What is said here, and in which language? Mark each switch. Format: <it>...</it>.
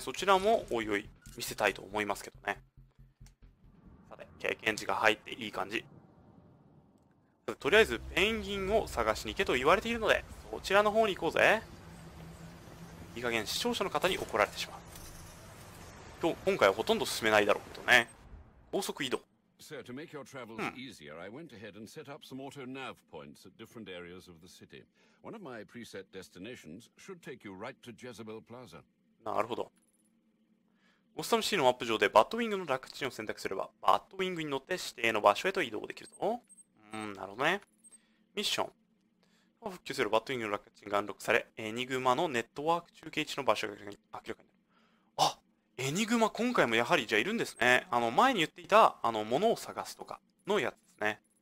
<ja>そちらもおいおい見せたいと思いますけどね。さて、経験値が入っていい感じ。とりあえずペンギンを探しに行けと言われているので、そちらの方に行こうぜ。いい加減視聴者の方に怒られてしまう。今回はほとんど進めないだろうけどね。高速移動。</ja> <en>So, to make your travels easier, I went ahead and set up some auto-nav points at different areas of the city. One of my preset destinations should take you right to Jezebel Plaza.</en> <ja>なるほど。ゴッサムシティのマップ上でバットウィングの楽地を選択すれば、バットウィングに乗って指定の場所へと移動できると。なるほどね。ミッション。復旧するバットウィングの楽地が暗録され、エニグマのネットワーク中継地の場所が明らかになる。あ、エニグマ今回もやはりじゃあいるんですね。前に言っていた物を探すとかのやつですね。</ja>